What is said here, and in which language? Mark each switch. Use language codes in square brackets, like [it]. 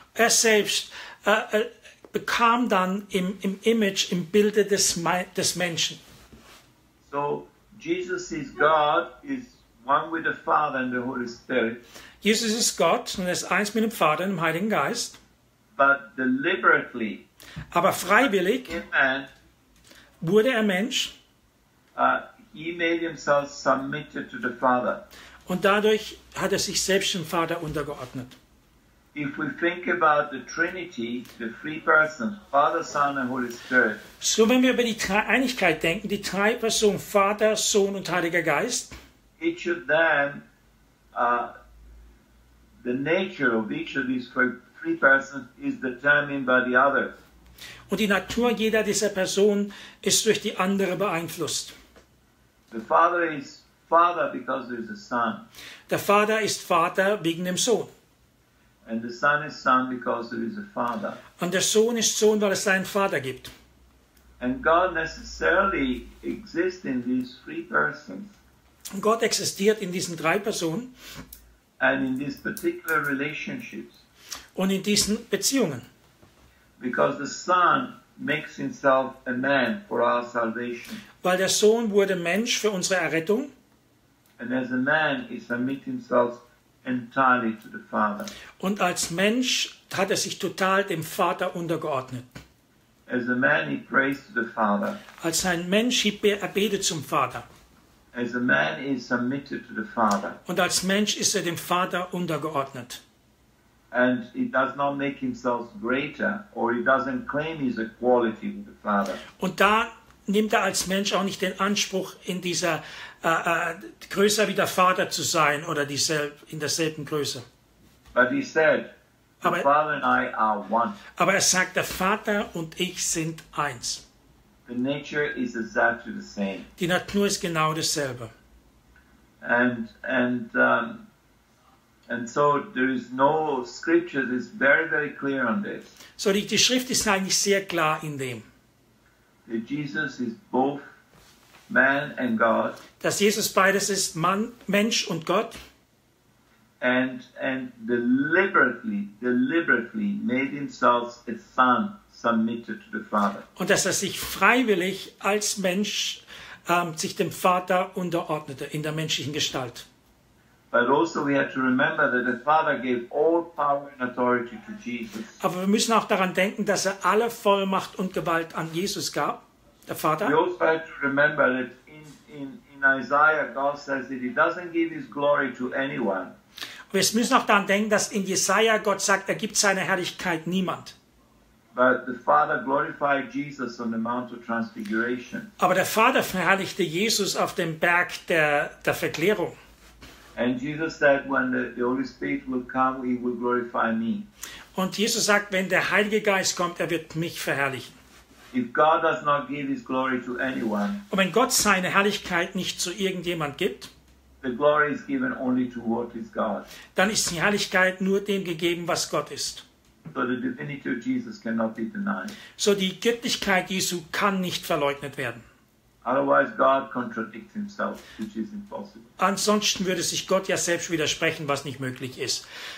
[de] Er selbst bekam dann im Image, im Bilde des Menschen. [en] So Jesus is God, is one with the Father and the Holy Spirit. [de] Jesus ist Gott und er ist eins mit dem Vater und dem Heiligen Geist. [en] But deliberately, [de] aber freiwillig, man, wurde er Mensch. [en] He made himself submitted to the Father. [de] Und dadurch hat er sich selbst dem Vater untergeordnet. [en] If we think about the Trinity, the three persons, Father, Son and Holy Spirit. [de] So wenn wir über die Dreieinigkeit denken, die drei Personen, Vater, Sohn und Heiliger Geist. [en] Each of them, the nature of each of these three persons is determined by the other. [de] Und die Natur jeder dieser Personen ist durch die andere beeinflusst. [en] The Father is Father because there is a Son. [de] Der Vater ist Vater wegen dem Sohn. [en] And the Son is Son because there is a Father. [de] Und der Sohn ist Sohn, weil es seinen Vater gibt. [en] And God necessarily exists in these three persons. [de] Und Gott existiert in diesen drei Personen. [en] And in these particular relationships. [de] Und in diesen Beziehungen. [en] because the Son makes himself a man for our salvation. [de] Weil der Sohn wurde Mensch für unsere Errettung. [en] And as a man, he submits himself entirely to the Father. [de] Und als Mensch hat er sich total dem Vater untergeordnet. [en] As a man, he prays to the Father. [de] Als ein Mensch, er betet zum Vater. [en] As a man, he is submitted to the Father. [de] Und als Mensch ist er dem Vater untergeordnet. [en] And he does not make himself greater, or he doesn't claim his equality with the Father. [de] Und da nimmt er als Mensch auch nicht den Anspruch, in dieser größer wie der Vater zu sein oder in derselben Größe. [en] But he said, the Father and I are one. [de] Aber er sagt, der Vater und ich sind eins. [en] The nature is exactly the same. [de] Die Natur ist genau dasselbe. [en] And so there is no scripture that is very, very clear on this. [de] So die Schrift ist eigentlich sehr klar in dem. [en] That Jesus is both man and God. [de] Dass Jesus beides ist, Mann, Mensch und Gott. [en] And deliberately made himself a son submitted to the Father. [de] Und dass er sich freiwillig als Mensch sich dem Vater unterordnete in der menschlichen Gestalt. [en] But also we have to remember that the Father gave all power and authority to Jesus. [de] Aber wir müssen auch daran denken, dass er alle Vollmacht und Gewalt an Jesus gab, der Vater. [en] We also have to remember that in Isaiah God says that he doesn't give his glory to anyone. [de] Wir müssen auch daran denken, dass in Jesaja Gott sagt, er gibt seine Herrlichkeit niemand. [en] But the Father glorified Jesus on the Mount of Transfiguration. [de] Aber der Vater verherrlichte Jesus auf dem Berg der Verklärung. [en] And Jesus said, when the Holy Spirit will come, he will glorify me. [de] Und Jesus sagt, wenn der Heilige Geist kommt, er wird mich verherrlichen. [en] If God does not give his glory to anyone. [de] Und wenn Gott seine Herrlichkeit nicht zu irgendjemand gibt, [en] the glory is given only to what is God. [de] Dann ist die Herrlichkeit nur dem gegeben, was Gott ist. [en] So the divinity of Jesus cannot be denied. [de] So die Göttlichkeit Jesu kann nicht verleugnet werden. [en] Otherwise God contradicts himself, which is impossible. [de] Ansonsten würde sich Gott ja selbst widersprechen, was nicht möglich ist.